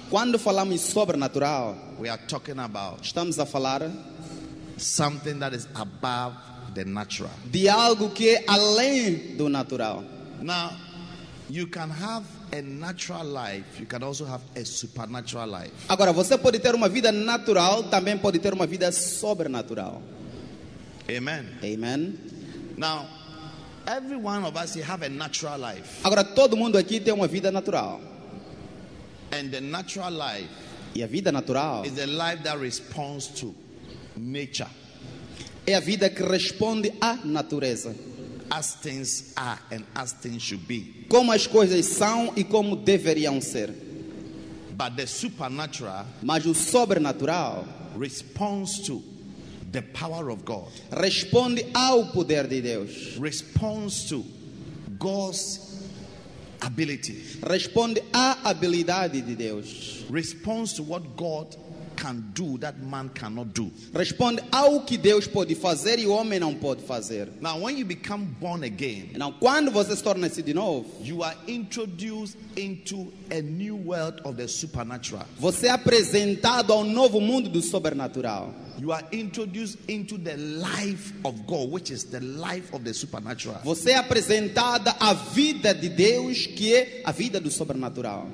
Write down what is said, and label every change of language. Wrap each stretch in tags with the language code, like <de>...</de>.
<pt>Quando falamos sobrenatural,</pt> <en>we are talking about.</en> <pt>Estamos a falar</pt> <en>something that is above the natural.</en> <pt>De algo que é além do natural.</pt> <en>Now, you can have a natural life, you can also have a supernatural life.</en> <pt>Agora, você pode ter uma vida natural, também pode ter uma vida sobrenatural. Amen. Amen.</pt> <en>Now, every one of us have a natural life.</en> <pt>Agora, todo mundo aqui tem uma vida natural.</pt> <en>And the natural life,</en> <pt>e a vida natural,</pt> <en>is the life that responds to nature.</en> <pt>É a vida que responde à natureza.</pt> <en>As things are and as things should be.</en> <pt>Como as coisas são e como deveriam ser.</pt> <en>But the supernatural,</en> <pt>mas o sobrenatural,</pt> <en>responds to the power of God.</en> <pt>Responde ao poder de Deus.</pt> <en>Responds to God's ability.</en> <pt>Responde à habilidade de Deus.</pt> <en>Responds to what God can do that man cannot do.</en> <pt>Responde ao que Deus pode fazer e o homem não pode fazer.</pt> <en>Now, when you become born again,</en> <pt>now quando você se torna de novo,</pt> <en>you are introduced into a new world of the supernatural.</en> <pt>Você é apresentado ao novo mundo do sobrenatural.</pt> <en>You are introduced into the life of God, which is the life of the supernatural.</en> <pt>Você é apresentada à vida de Deus, que é a vida do sobrenatural.</pt>